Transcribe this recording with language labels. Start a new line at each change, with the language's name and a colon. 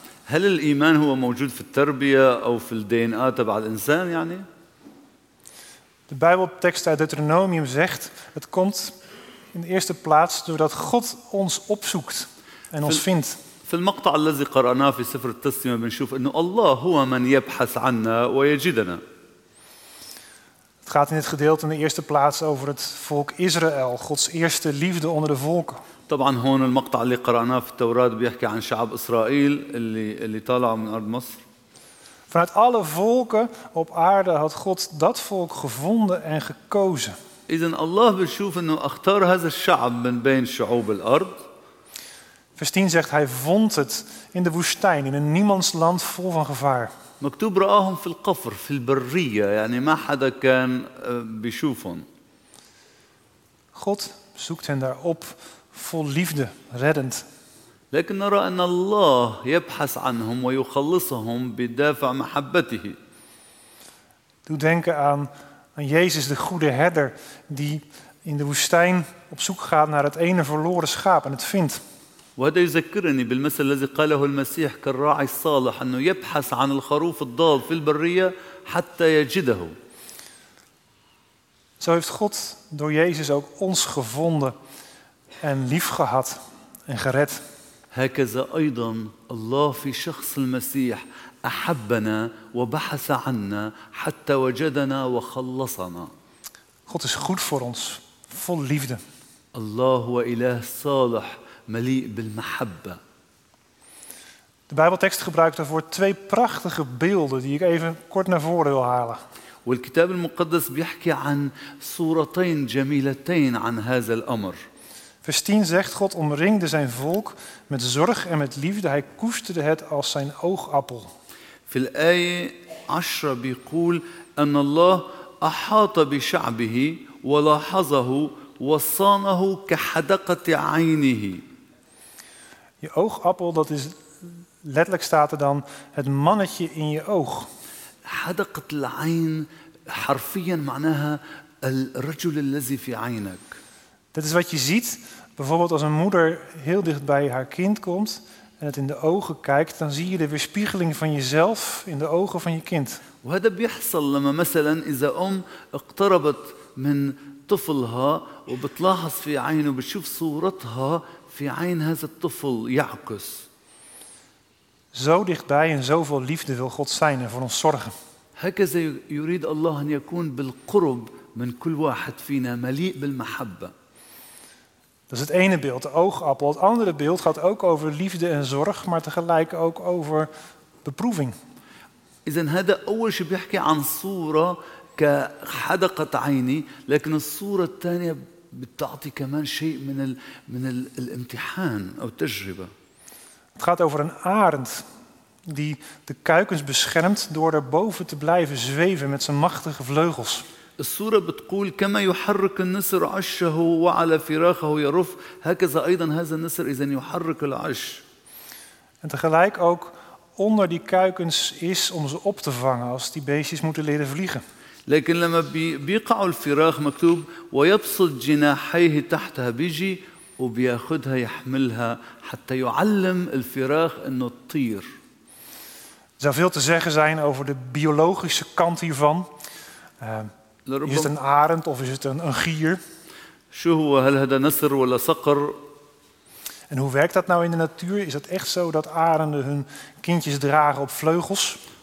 Arabic: هل الايمان هو موجود في التربيه او في الدي ان ا تبع الانسان يعني؟
Dutch: De Bijbeltekst uit Deuteronomium zegt: het komt in de eerste plaats doordat God ons opzoekt en ons vindt.
Arabic: في المقطع الذي قرأناه في سفر التسليمة بنشوف انه الله هو من يبحث عنا ويجدنا.
Dutch: Het gaat in dit gedeelte in de eerste plaats over het volk Israël, Gods eerste liefde onder de volken.
Arabic: طبعا هون المقطع اللي قرأناه في التوراة بيحكي عن شعب إسرائيل اللي طالع من أرض مصر.
Dutch: Vanuit alle volken op aarde had God dat volk gevonden en gekozen.
Arabic: إذن الله بيشوف أنه اختار هذا الشعب من بين شعوب الأرض.
Dutch: Vers 10 zegt: hij vond het in de woestijn, in een niemandsland vol van gevaar.
Arabic: مكتوب رآهم في القفر في البرية، يعني ما حدا كان بيشوفهم.
Dutch: God zoekt hen daar op vol liefde, reddend.
Arabic: لكن نرى أن الله يبحث عنهم ويخلصهم بدافع محبته.
Dutch: Doe denken aan Jezus, de goede herder, die in de woestijn op zoek gaat naar het ene verloren schaap en het vindt.
Arabic: وهذا يذكرني بالمثل الذي قاله المسيح كالراعي الصالح، أنه يبحث عن الخروف الضال في البرية حتى يجده.
Dutch: Zo heeft God door Jezus ook ons gevonden en lief gehad en gered.
Arabic: هكذا أيضا الله في شخص المسيح أحبنا وبحث عنا حتى وجدنا وخلصنا.
Dutch: God is goed voor ons, vol liefde.
Arabic: الله هو إله صالح مليء بالمحبة.
Dutch: De Bijbeltekst gebruikt daarvoor twee prachtige beelden die ik even kort naar voren wil halen.
Arabic: والكتاب المقدس بيحكي عن صورتين جميلتين عن هذا الأمر.
Dutch: Vers 10 zegt: God omringde zijn volk met zorg en met liefde. Hij koesterde het als zijn oogappel.
Arabic: في الآية 10 بيقول أن الله أحاط بشعبه ولاحظه وصانه كحدقة عينه.
Dutch: Je oogappel, dat is letterlijk staat er dan het mannetje in je oog.
Arabic: حدقة العين حرفيا معناها الرجل الذي في عينك.
Dutch: Dat is wat je ziet. Bijvoorbeeld als een moeder heel dicht bij haar kind komt en het in de ogen kijkt, dan zie je de weerspiegeling van jezelf in de ogen van je kind.
Arabic: وهذا بيحصل لما مثلا إذا أم اقتربت من طفلها وبتلاحظ في عينه بتشوف صورتها في عين هذا الطفل يعكس.
Dutch: Zo dichtbij en zoveel liefde wil God zijn en voor ons zorgen.
Arabic: هكذا يريد الله أن يكون بالقرب من كل واحد فينا مليء بالمحبة.
Dutch: Dat is het ene beeld, de oogappel. Het andere beeld gaat ook over liefde en zorg, maar tegelijk ook over beproeving.
Arabic: إذن هذا أول شيء بيحكي عن صورة كحدقة عيني، لكن الصورة الثانية بتعطي كمان شيء من الـ الامتحان أو التجربة.
Dutch: Het gaat over een arend die de kuikens beschermt door er boven te blijven zweven met zijn machtige vleugels.
Arabic: الصورة بتقول كما يحرك النسر عشه وعلى فراخه يرف، هكذا أيضا هذا النسر إذا يحرك العش.
Dutch: En tegelijk ook onder die kuikens is om ze op te vangen als die beestjes moeten leren vliegen.
Arabic: لكن لما بيقع الفراخ مكتوب ويبسط جناحيه تحتها بيجي وبياخدها يحملها حتى يعلم الفراخ إنه تطير.
Dutch: Zou veel te zeggen zijn over de biologische kant hiervan. Is het een arend of is het een gier?
Arabic: شو هو، هل هذا نسر ولا صقر؟
Dutch: En hoe werkt dat nou in de natuur? Is het echt zo dat arenden hun kindjes dragen op vleugels?